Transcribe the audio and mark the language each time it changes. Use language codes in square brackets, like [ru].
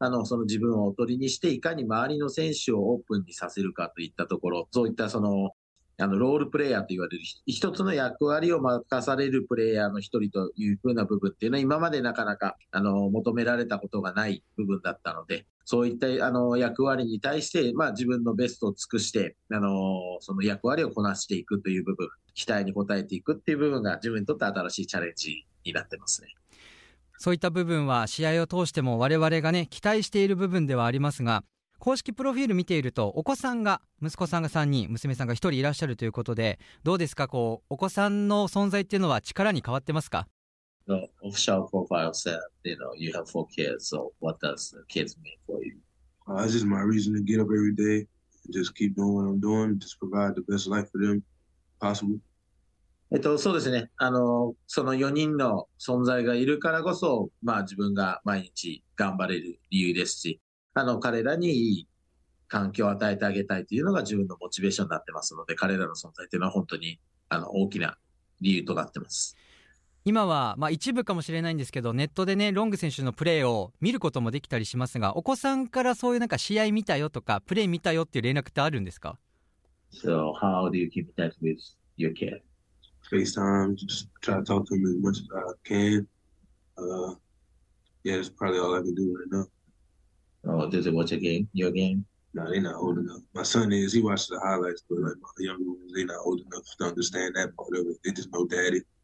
[ja] その自分をおとりにして、いかに周りの選手をオープンにさせるかといったところ、そういったその、ロールプレイヤーと言われる一つの役割を任されるプレイヤーの一人というふうな部分っていうのは、今までなかなか、求められたことがない部分だったので、そういった、役割に対して、まあ、自分のベストを尽くして、その役割をこなしていくという部分、期待に応えていくっていう部分が、自分にとって新しいチャレンジになってますね。そういった部分は、試合を通しても我々がね、期待している部分ではありますが、公式プロフィール見ていると、お子さんが、息子さんが3人、娘さんが1人いらっしゃるということで、どうですか、こうお子さんの存在っていうのは力に変わってますか？ [en] The official profile said, you know, you have four kids, so what does the kids mean for you? It's just my reason to get up every day, just keep doing what I'm doing, just provide the best life for them possible. [ja] そうですね、その4人の存在がいるからこそ、まあ、自分が毎日頑張れる理由ですし、彼らにいい環境を与えてあげたいというのが自分のモチベーションになってますので、彼らの存在というのは本当に大きな理由となってます。今は、まあ、一部かもしれないんですけど、ネットでね、ロング選手のプレーを見ることもできたりしますが、お子さんからそういうなんか試合見たよとかプレー見たよっていう連絡ってあるんですか？ [en] So how do you keep in touch with your kid? FaceTime, just try to talk to him as much as I can. Yeah, that's probably all I can do right now. Oh, does he watch a game? Your game? No, they're not old enough. My son is. He watches the highlights, but like my younger ones, they're not old enough to understand that part of it. They just know daddy.